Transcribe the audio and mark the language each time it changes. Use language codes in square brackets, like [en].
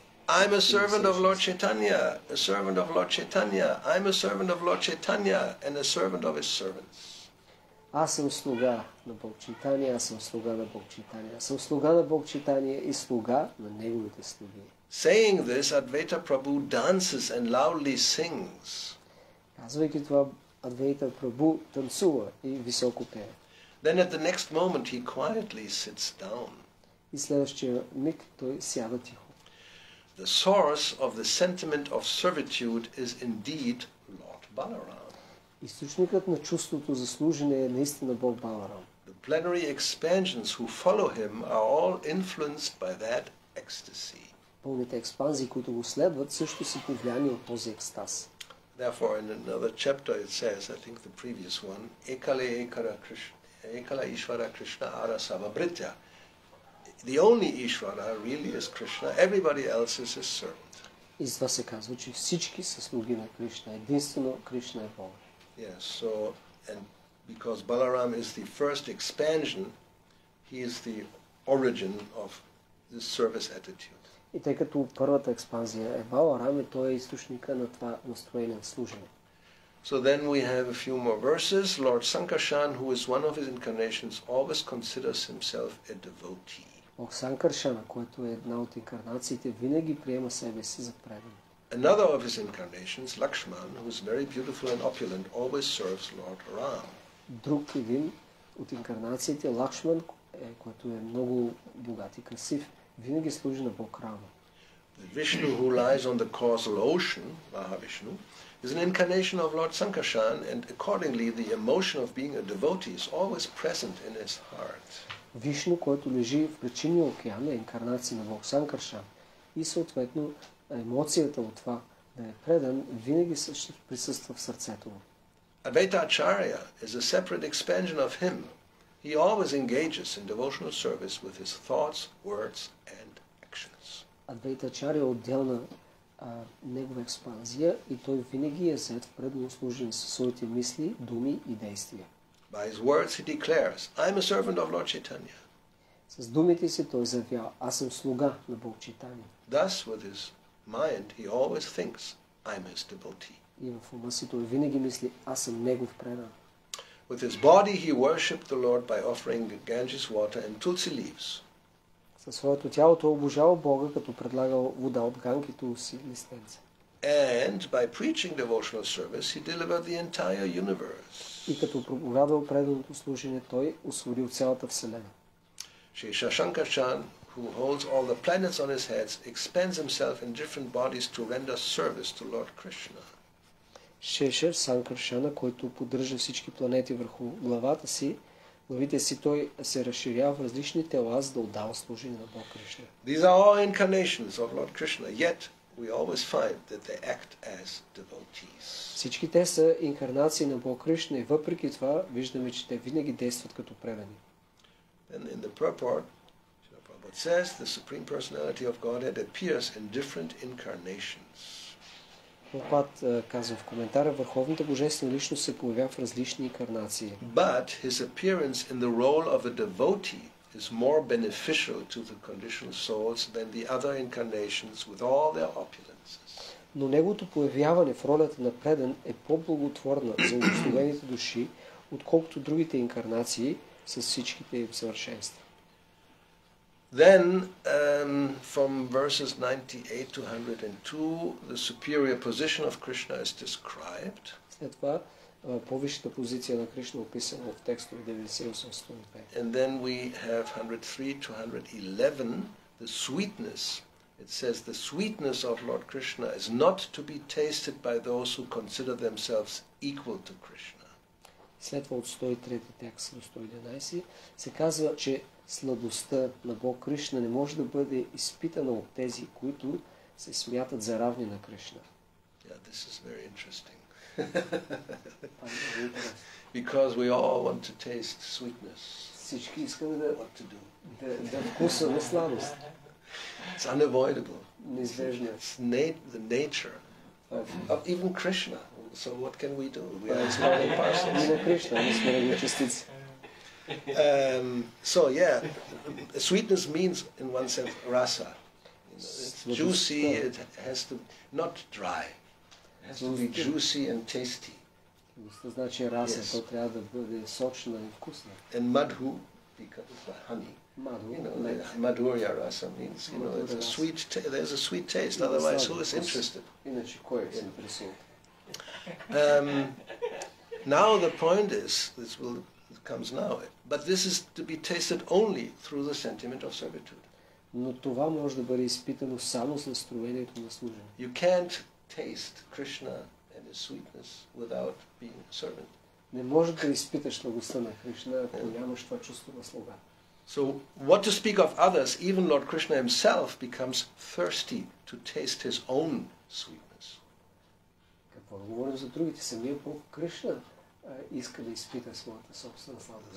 [en] I'm a servant of Lord Chaitanya, a servant of Lord Chaitanya, I'm a servant of Lord Chaitanya, and a servant of his servants. [bg] Аз съм слуга на Бог Чайтания, аз съм слуга на Бог Чайтания, аз съм слуга на Бог Чайтания и слуга на Неговите слуги. [en] Saying this, Advaita Prabhu dances and loudly sings. [bg] Казвайки това, Адвайта Прабху танцува и високо пее. [en] Then at the next moment he quietly sits down. [bg] И следващия миг той сяда тихо. [en] The source of the sentiment of servitude is indeed Lord Balaram. [bg] Източникът на чувството за служене е наистина Бог Баларам. [en] The plenary expansions who follow him are all influenced by that ecstasy. [bg] Пълните експанзии, които го следват, също са под влияние от този екстаз. [en] Therefore, in another chapter, it says, I think the previous one, [bn] Ekala Ishvara Krishna Ara Savabritya. [en] The only Ishvara really is Krishna. Everybody else is his servant. [bg] И това се казва, че всички са слуги на Кришна. Единствено, Кришна е Бог. [en] Yes, so, and because Balaram is the first expansion, he is the origin of this service attitude. [bg] И тъй като първата експанзия е Баларам, той е източника на това настроение на служене. [en] So then we have a few more verses. Lord Sankarshan, who is one of his incarnations, always considers himself a devotee. [bg] Бог Санкаршана, който е една от инкарнациите, винаги приема себе си за предан. [en] Another of his incarnations, Lakshman, who is very beautiful and opulent, always serves Lord Ram. [bg] Друг един от инкарнациите, Лакшман, който е много богат и красив, винаги служи на Бог Рама. [en] The Vishnu who lies on the causal ocean, Mahavishnu, is an incarnation of Lord Sankarshan, and accordingly the emotion of being a devotee is always present in his heart. [bg] Вишну, който лежи в причинния океан, е инкарнация на Бог Санкаршан и съответно емоцията от това да е предан винаги присъства в сърцето му. [en] Advaita Acharya is a separate expansion of him. He always engages in devotional service with his thoughts, words and actions. [bg] Адвайта Ачарья е отделна негова експанзия и той винаги е зает в предно служение със своите мисли, думи и действия. [en] By his words he declares, I am a servant of Lord Chaitanya. [bg] С думите си той заявява, аз съм слуга на Бог Чайтания. [en] Thus with his mind he always thinks, I am his devotee. [bg] И в ума си той винаги мисли, аз съм негов предан. [en] With his body he worshipped the Lord by offering Ganges water and tulsi leaves. [bg] Със своето тяло той обожава Бога като предлагал вода от Ганги и тулси листенце. [en] And by preaching devotional service he delivered the entire universe. [bg] И като проповядвал преданото служение той освободил цялата вселена. [en] Shri Shashankarshan, who holds all the planets on his heads, expands himself in different bodies to render service to Lord Krishna. [bg] Шешер Санкаршана, който поддържа всички планети върху главата си, главите си той се разширява в различни тела, за да отдава служение на Бог Кришна. [en] These are all incarnations of Lord Krishna, yet we always find that they act as devotees. [bg] Всички те са инкарнации на Бог Кришна и въпреки това виждаме, че те винаги действат като предани. [en] And in the purport, Srila Prabhupada says, the Supreme Personality of Godhead appears in different incarnations. [bg] Попад казва в коментара, върховната божествена личност се появява в различни инкарнации. [en] But his appearance in the role of a devotee is more beneficial to the conditioned souls than the other incarnations with all their opulences. [bg] Но неговото появяване в ролята на предан е по-благотворно за обусловените души, отколкото другите инкарнации с всичките им съвършенства. [en] Then, from verses 98-102, the superior position of Krishna is described. [bg] След това, повишата позиция на Кришна описана в текстове 98-102. [en] And then we have 103-111, the sweetness It says the sweetness of Lord Krishna is not to be tasted by those who consider themselves equal to Krishna. [bg] Следва от 103 текст до 111 се казва, че сладостта на Бог Кришна не може да бъде изпитана от тези, които се смятат за равни на Кришна. [en] Yeah, this is very interesting. Because we all want to taste sweetness. [bg] Всички искаме да вкусваме сладост. [en] It's unavoidable. [bg] Неизбежно. [en] It's the nature of even Krishna. So what can we do? We are small parcels. Even Krishna, [bg] ние сме едни частици. [en] So yeah, sweetness means in one sense rasa. It's juicy. It has to not dry. It has to be juicy and tasty. [bg] Сладостта значи раса, то трябва да бъде сочна и вкусна. [en] And madhu, because honey. Madhu, madhurya rasa means, you know, it's a sweet. There's a sweet taste. Otherwise, who is interested? [bg] Иначе кой е заинтересован? [en] Now the point is, this will comes now, but this is to be tasted only through the sentiment of servitude. [bg] Но това може да бъде изпитано само с настроението на служене. [en] You can't taste Krishna and his sweetness without being a servant. [bg] Не можеш да изпиташ благостта на Кришна, ако нямаш това чувство на слуга. [en] So what to speak of others, even Lord Krishna himself becomes thirsty to taste his own sweetness. [bg] Какво да говорим за другите, самия Бог Кришна иска да изпита своята собствена сладост.